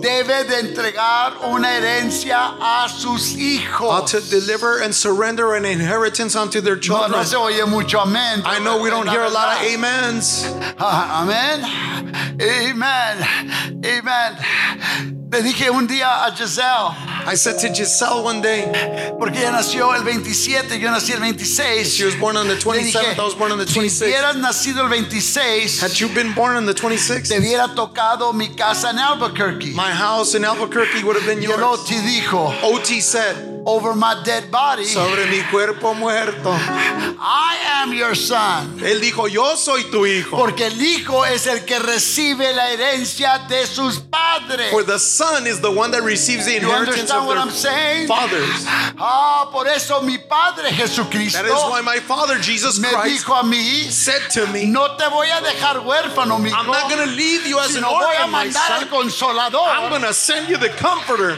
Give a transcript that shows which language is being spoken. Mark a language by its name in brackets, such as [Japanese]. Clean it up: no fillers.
[Spanish] debe de entregar una herencia a sus hijos. [English] Ought to deliver and surrender an inheritance unto their children. [Spanish] No, no se oye mucho amén. [English] I know we don't hear a lot of amens. Amen. Amen. [Spanish] Amen. Le dije un día a Giselle. [English] I said to Giselle one day. [Spanish] Porque ella nació el 27, yo nací el 26. [English] She was born on the 27th, [Spanish] dije, [English] I was born on the 26th. [Spanish] Si hubieras nacido el 26. [English] Had you been born on the 26th? [Spanish] Te hubiera tocado mi casa en Albuquerque. [English] My house in Albuquerque would have been yours. [Spanish] Y el OT dijo. [English] OT said. Over my dead body. [Spanish] Sobre mi cuerpo muerto. [English] I am your son. [Spanish] Él dijo, yo soy tu hijo. Porque el hijo es el que recibe la herencia de sus padres. [English] For the son is the one that receives the inheritance of their fathers. [Spanish] Ah, por eso mi padre Jesucristo. [English] That is why my father Jesus [Spanish] me [English] Christ [Spanish] dijo a mí, [English] said to me, [Spanish] no te voy a dejar huérfano, mi [English] hijo. I'm not going to leave you as [Spanish] si [English] an orphan, [Spanish] voy a mandar [English] my son. [Spanish] Al consolador. [English] I'm going to send you the comforter.